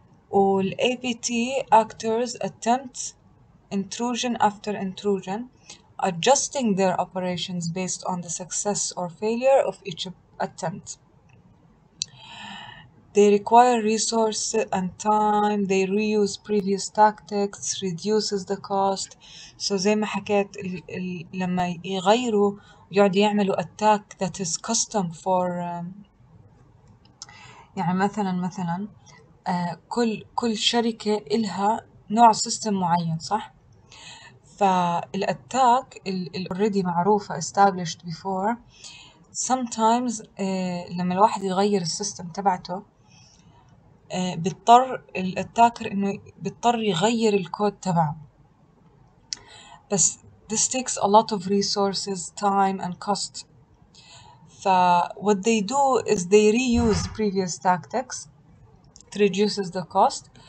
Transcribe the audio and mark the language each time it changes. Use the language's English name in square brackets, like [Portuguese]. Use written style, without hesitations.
[English] والAPT actors attempt intrusion after intrusion, adjusting their operations based on the success or failure of each attempt. They require resources and time, they reuse previous tactics, reduces the cost. [Arabic] So زي ما حكيت لما يغيروا يقعد يعملوا [English] attack that is custom for [Arabic] يعني مثلا كل شركة إلها نوع سيستم معين صح؟ فالاتاك الاوريدي معروفة [English] established before sometimes [Arabic] لما الواحد يغير السيستم تبعته بيضطر الاتاكر انه بيضطر يغير الكود تبعه. [English] بس this takes a lot of resources, time and cost. ف what they do is they reuse the previous tactics, it reduces the cost.